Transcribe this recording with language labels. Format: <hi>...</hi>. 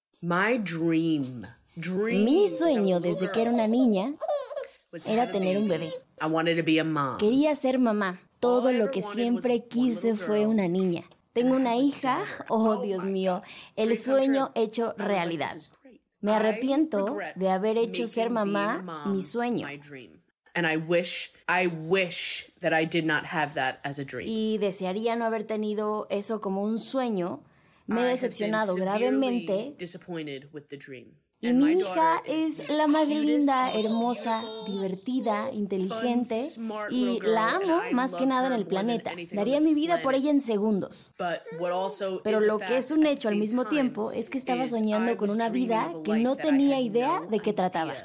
<es>Mi sueño desde que era una niña era tener un bebé. Quería ser mamá. Todo lo que siempre quise fue una niña. Tengo una hija. Oh, Dios mío. El sueño hecho realidad. Me arrepiento de haber hecho ser mamá mi sueño.</es> <en>And I wish that I did not have that as a dream.</en> <es>Y desearía no haber tenido eso como un sueño, Me he decepcionado gravemente. Y mi hija es la más linda, hermosa, divertida, inteligente y la amo más que nada en el planeta. Daría mi vida por ella en segundos. Pero lo que es un hecho al mismo tiempo es que estaba soñando con una vida que no tenía idea de qué trataba.</es>